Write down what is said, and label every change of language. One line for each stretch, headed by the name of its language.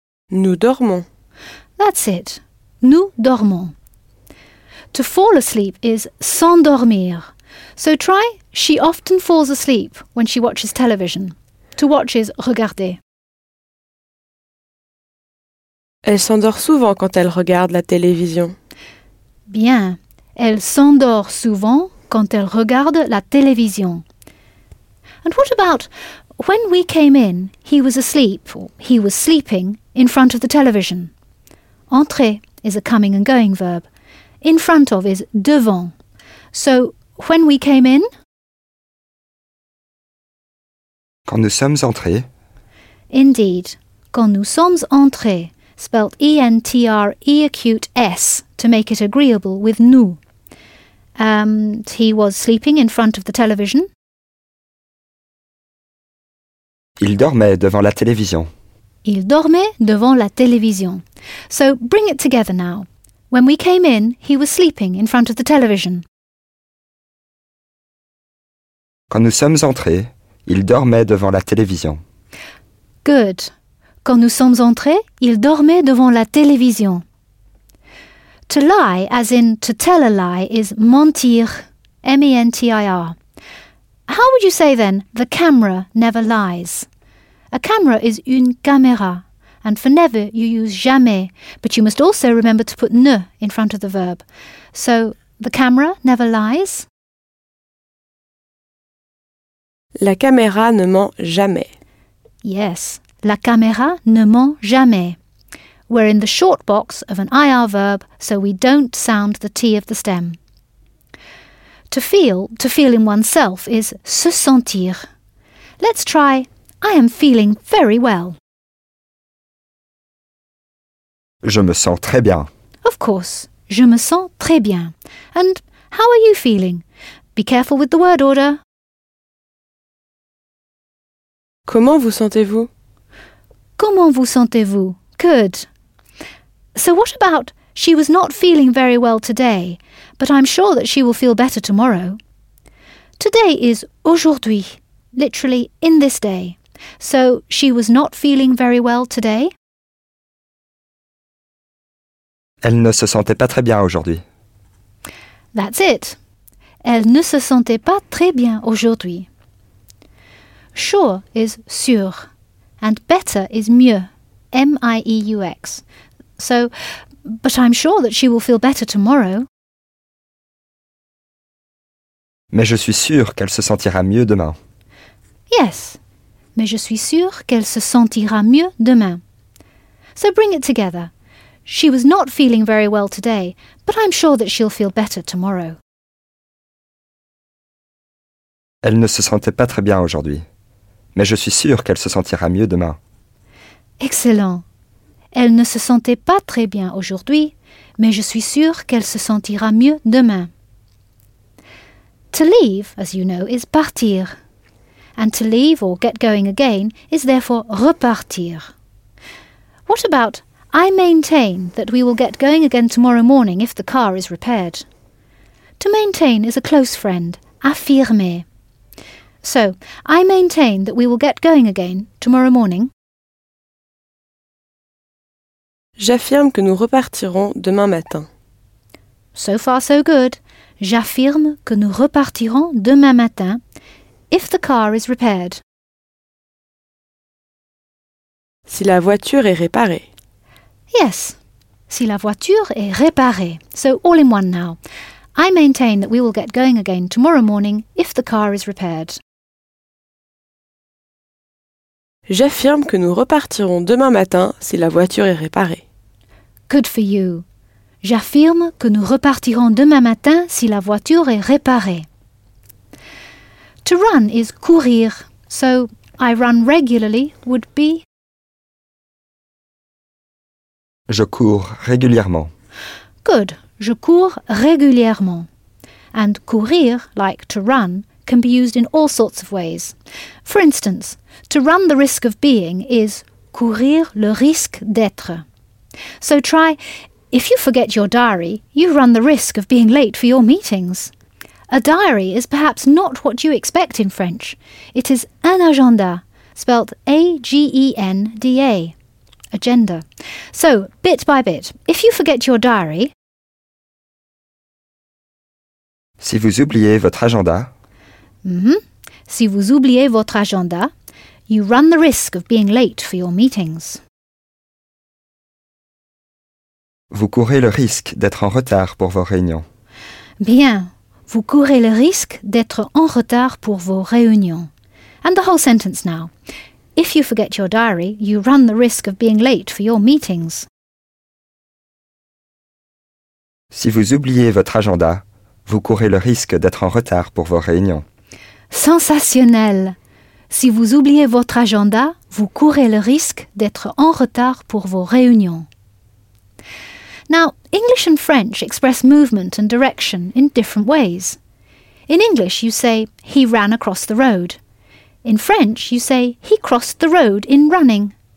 French: Nous dormons.
English: That's it.
French: Nous dormons.
English: To fall asleep is s'endormir. So try, she often falls asleep when she watches television. To watch is regarder.
French: Elle s'endort souvent quand elle regarde la télévision. Bien. Elle s'endort souvent quand elle regarde la télévision.
English: And what about when we came in, he was asleep, or he was sleeping, in front of the television? Entrer is a coming and going verb. In front of is devant. So, when we came in?
French: Quand nous sommes entrés.
English: Indeed.
French: Quand nous sommes entrés,
English: spelt E-N-T-R-E acute S, to make it agreeable with nous. He was sleeping in front of the television.
French: Il dormait devant la télévision. Il dormait devant la télévision.
English: So, bring it together now. When we came in, he was sleeping in front of the television.
French: Quand nous sommes entrés, il dormait devant la télévision.
English: Good.
French: Quand nous sommes entrés, il dormait devant la télévision.
English: To lie, as in to tell a lie, is mentir, M-E-N-T-I-R. How would you say then, the camera never lies? A camera is une caméra. And for never, you use jamais, but you must also remember to put ne in front of the verb. So, the camera never lies.
French: La caméra ne ment jamais. Yes, la caméra ne ment jamais.
English: We're in the short box of an IR verb, so we don't sound the T of the stem. To feel in oneself, is se sentir. Let's try, I am feeling very well.
French: Je me sens très bien.
English: Of course,
French: je me sens très bien.
English: And how are you feeling? Be careful with the word order.
French: Comment vous sentez-vous? Comment vous sentez-vous?
English: Good. So what about she was not feeling very well today, but I'm sure that she will feel better tomorrow? Today is aujourd'hui, literally in this day. So she was not feeling very well today?
French: Elle ne se sentait pas très bien aujourd'hui.
English: That's it.
French: Elle ne se sentait pas très bien aujourd'hui.
English: Sure is sûr. And better is mieux. M-I-E-U-X. So, but I'm sure that she will feel better tomorrow.
French: Mais je suis sûr qu'elle se sentira mieux demain.
English: Yes.
French: Mais je suis sûr qu'elle se sentira mieux demain.
English: So bring it together. She was not feeling very well today, but I'm sure that she'll feel better tomorrow.
French: Elle ne se sentait pas très bien aujourd'hui, mais je suis sûr qu'elle se sentira mieux demain.
English: Excellent.
French: Elle ne se sentait pas très bien aujourd'hui, mais je suis sûr qu'elle se sentira mieux demain.
English: To leave, as you know, is partir. And to leave or get going again is therefore repartir. What about I maintain that we will get going again tomorrow morning if the car is repaired. To maintain is a close friend, affirmer. So, I maintain that we will get going again tomorrow morning.
French: J'affirme que nous repartirons demain matin.
English: So far, so good.
French: J'affirme que nous repartirons demain matin,
English: if the car is repaired.
French: Si la voiture est réparée. Yes, si la voiture est réparée.
English: So, all in one now. I maintain that we will get going again tomorrow morning, if the car is repaired.
French: J'affirme que nous repartirons demain matin si la voiture est réparée.
English: Good for you.
French: J'affirme que nous repartirons demain matin si la voiture est réparée.
English: To run is courir. So, I run regularly would be...
French: Je cours régulièrement.
English: Good.
French: Je cours régulièrement.
English: And courir, like to run, can be used in all sorts of ways. For instance, to run the risk of being is
French: courir le risque d'être.
English: So try, if you forget your diary, you run the risk of being late for your meetings. A diary is perhaps not what you expect in French. It is un agenda, spelt A-G-E-N-D-A, agenda. So, bit by bit, if you forget your diary...
French: Si vous oubliez votre agenda... Si vous oubliez votre agenda,
English: you run the risk of being late for your meetings.
French: Vous courez le risque d'être en retard pour vos réunions. Bien, vous courez le risque d'être en retard pour vos réunions.
English: And the whole sentence now. If you forget your diary, you run the risk of being late for your meetings.
French: Si vous oubliez votre agenda, vous courez le risque d'être en retard pour vos réunions. Sensationnel! Si vous oubliez votre agenda, vous courez le risque d'être en retard pour vos réunions.
English: Now, English and French express movement and direction in different ways. In English, you say, he ran across the road. In French, you say, he crossed the road in running.